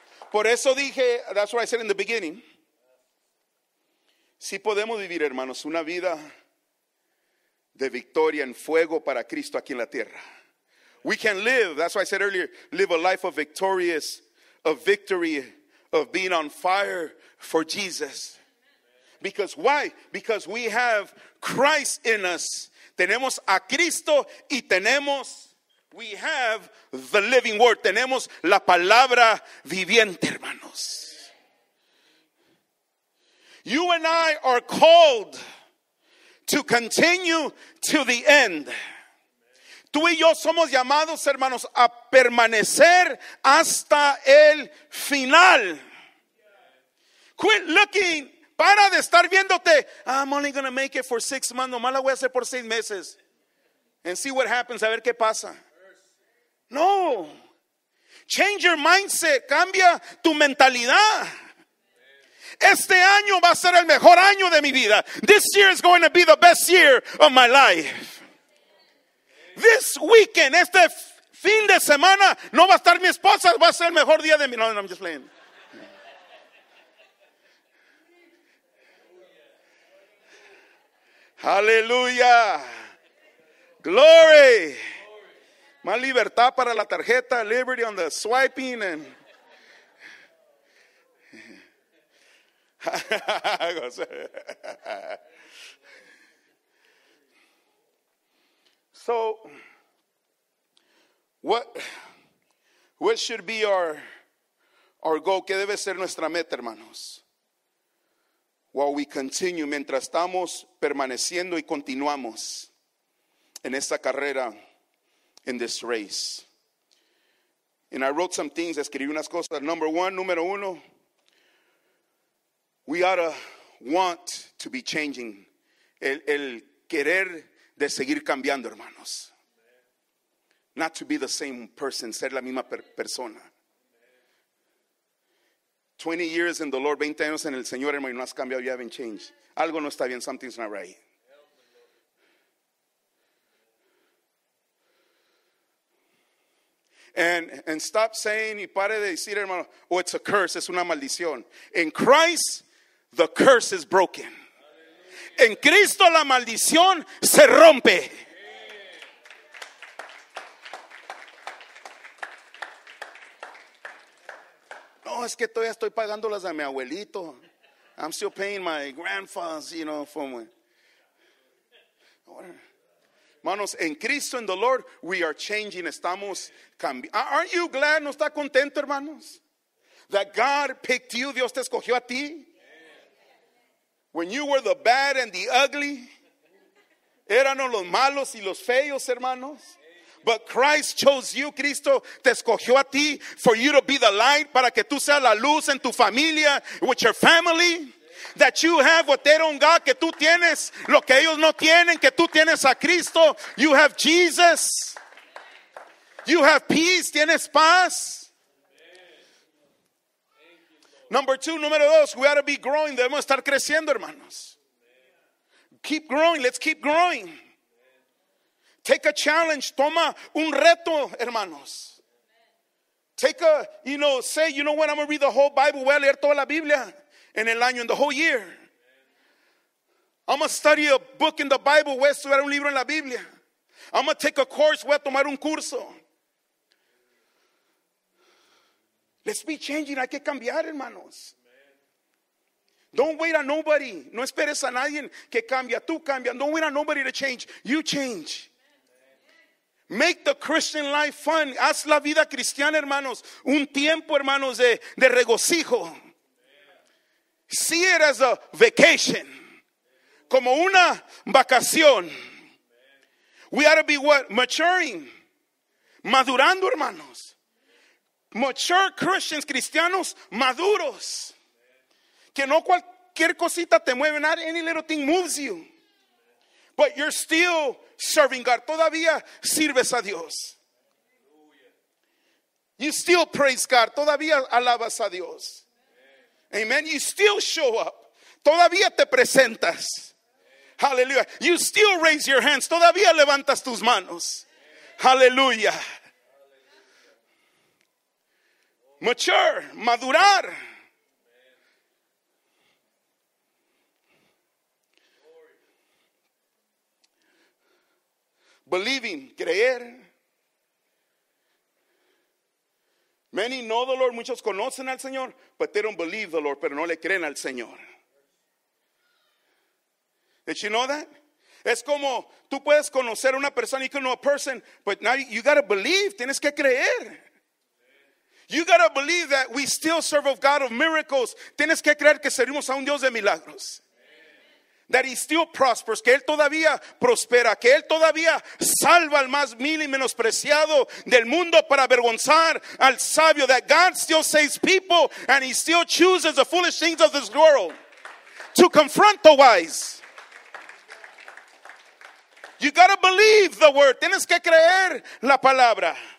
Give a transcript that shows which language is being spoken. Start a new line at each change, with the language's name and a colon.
Spanish: Por eso dije,
English: that's what I said in the beginning.
Spanish: Si podemos vivir, hermanos, una vida de victoria en fuego para Cristo aquí en la tierra.
English: We can live, that's what I said earlier, live a life of victorious, of victory, of being on fire for Jesus. Because why? Because we have Christ in us.
Spanish: Tenemos a Cristo y tenemos,
English: we have the living word.
Spanish: Tenemos la palabra viviente, hermanos.
English: You and I are called to continue to the end.
Spanish: Tú y yo somos llamados, hermanos, a permanecer hasta el final.
English: Quit looking.
Spanish: Para de estar viéndote.
English: I'm only going to make it for 6 months.
Spanish: Nomás la voy a hacer por 6 meses.
English: And see what happens.
Spanish: A ver qué pasa.
English: No, change your mindset,
Spanish: cambia tu mentalidad. Este año va a ser el mejor año de mi vida.
English: This year is going to be the best year of my life. This weekend,
Spanish: este fin de semana, no va a estar mi esposa, va a ser el mejor día de mi vida.
English: No, I'm just playing. Hallelujah. Glory.
Spanish: Más libertad para la tarjeta,
English: liberty on the swiping.
Spanish: And...
English: So, what should be our goal?
Spanish: ¿Qué debe ser nuestra meta, hermanos?
English: While we continue,
Spanish: mientras estamos permaneciendo y continuamos en esta carrera,
English: in this race. And I wrote some things,
Spanish: escribí unas cosas.
English: Number one,
Spanish: número uno,
English: we ought to want to be changing.
Spanish: El querer de seguir cambiando, hermanos.
English: Not to be the same person,
Spanish: ser la misma persona.
English: 20 years in the Lord,
Spanish: 20 años en el Señor, hermano, y no has cambiado,
English: you haven't changed.
Spanish: Algo no está bien,
English: something's not right. And stop saying,
Spanish: y pare de decir, hermano,
English: oh, it's a curse,
Spanish: es una maldición.
English: In Christ, the curse is broken.
Spanish: En Cristo, la maldición se rompe. No, es que todavía estoy pagando las de mi abuelito.
English: I'm still paying my grandfather's, you know, for me.
Spanish: Manos, en Cristo,
English: in the Lord, we are changing.
Spanish: Estamos cambiando.
English: Aren't you glad?
Spanish: ¿No está contento, hermanos?
English: That God picked you.
Spanish: Dios te escogió a ti.
English: When you were the bad and the ugly.
Spanish: Eran los malos y los feos, hermanos.
English: But Christ chose you,
Spanish: Cristo te escogió a ti,
English: for you to be the light,
Spanish: para que tú seas la luz en tu familia,
English: with your family, that you have what they don't got,
Spanish: que tú tienes lo que ellos no tienen, que tú tienes a Cristo,
English: you have Jesus, you have peace,
Spanish: tienes paz.
English: Number two,
Spanish: número dos,
English: we ought to be growing,
Spanish: debemos estar creciendo, hermanos.
English: Keep growing, let's keep growing. Take a challenge,
Spanish: toma un reto, hermanos.
English: Take a, you know, say, you know what, I'm going to read the whole Bible.
Spanish: Voy a leer toda la Biblia en el año,
English: in the whole year. I'm going to study a book in the Bible.
Spanish: Voy a estudiar un libro en la Biblia.
English: I'm going to take a course.
Spanish: Voy a tomar un curso.
English: Let's be changing.
Spanish: Hay que cambiar, hermanos.
English: Don't wait on nobody.
Spanish: No esperes a nadie que cambia. Tú cambia.
English: Don't wait on nobody to change. You change. Make the Christian life fun.
Spanish: Haz la vida cristiana, hermanos. Un tiempo, hermanos, de regocijo.
English: See it as a vacation.
Spanish: Como una vacación.
English: We ought to be what? Maturing.
Spanish: Madurando, hermanos.
English: Mature Christians,
Spanish: cristianos maduros. Que no cualquier cosita te mueve.
English: Not any little thing moves you. But you're still serving God.
Spanish: Todavía sirves a Dios.
English: You still praise God.
Spanish: Todavía alabas a Dios.
English: Amen. You still show up.
Spanish: Todavía te presentas.
English: Hallelujah. You still raise your hands.
Spanish: Todavía levantas tus manos.
English: Hallelujah. Mature.
Spanish: Madurar.
English: Believing,
Spanish: creer.
English: Many know the Lord,
Spanish: muchos conocen al Señor,
English: but they don't believe the Lord,
Spanish: pero no le creen al Señor.
English: Did you know that?
Spanish: Es como tú puedes conocer a una persona,
English: you can know a person, but now you got to believe,
Spanish: tienes que creer.
English: You got to believe that we still serve a God of miracles.
Spanish: Tienes que creer que servimos a un Dios de milagros.
English: That he still prospers,
Spanish: que él todavía prospera, que él todavía salva al más vil y menospreciado del mundo para avergonzar al sabio.
English: That God still saves people and he still chooses the foolish things of this world to confront the wise. You gotta believe the word.
Spanish: Tienes que creer la palabra.